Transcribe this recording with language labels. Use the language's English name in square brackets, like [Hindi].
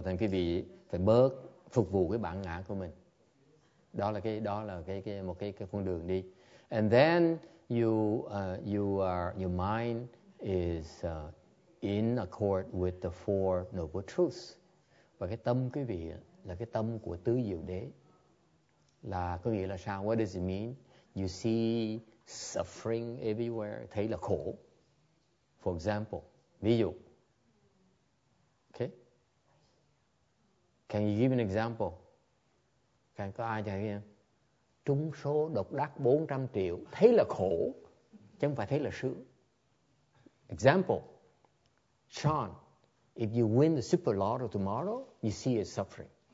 [Vietnamese] Thành quý vị phải bớt phục vụ cái bản ngã của mình. Đó là cái con đường đi. [English] And then your mind is in accord with the four noble truths. [Vietnamese] Và cái tâm quý vị là cái tâm của tứ diệu đế. Là có nghĩa là sao? [English] What does it mean? You see suffering everywhere. [Vietnamese] Thấy là khổ. [English] For example, [Vietnamese] ví dụ. [English] Okay. Can you give an example? Can [Vietnamese] có ai chẳng nghe? Trúng số độc đắc 400 triệu. Thấy là khổ. Chứ không phải thấy là sướng. [English] Example. Sean, if you win the super lotto tomorrow, you see it's suffering.